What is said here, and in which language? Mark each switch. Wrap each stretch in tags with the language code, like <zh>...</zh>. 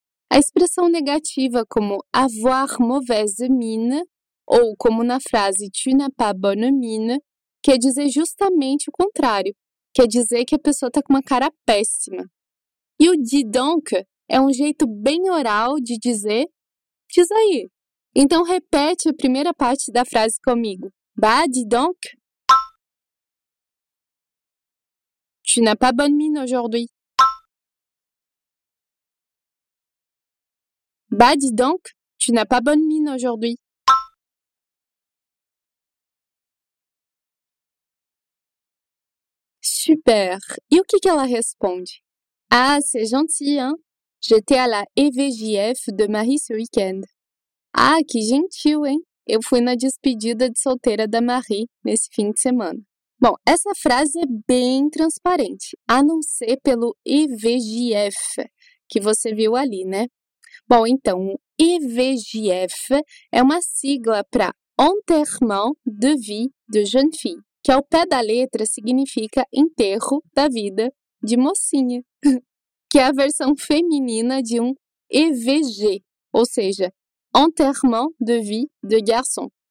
<pt>A expressão negativa como</pt> <fr>avoir mauvaise mine,</fr> <pt>ou como na frase</pt> <fr>tu n'as pas bonne mine,</fr> <pt>quer dizer justamente o contrário. Quer dizer que a pessoa está com uma cara péssima. E o dis donc é um jeito bem oral de dizer diz aí. Então repete a primeira parte da frase comigo.</pt> <fr>Bah, dis donc. Tu n'as pas bonne mine aujourd'hui. Bah, dis donc. Tu n'as pas bonne mine aujourd'hui.</fr> <pt>Super. E o que ela responde?</pt> <fr>Ah, c'est gentil, hein? J'étais à la EVJF de Marie ce week-end.</fr> <pt>Ah, que gentil, hein? Eu fui na despedida de solteira da Marie nesse fim de semana. Bom, essa frase é bem transparente, a não ser pelo EVJF que você viu ali, né? Bom, então, EVJF é uma sigla para</pt> <fr>Enterrement de Vie de Jeune Fille,</fr> <pt>que ao pé da letra significa enterro da vida de mocinha, que é a versão feminina de um EVG, ou seja,</pt> <fr>Enterrement de Vie de Garçon.</fr>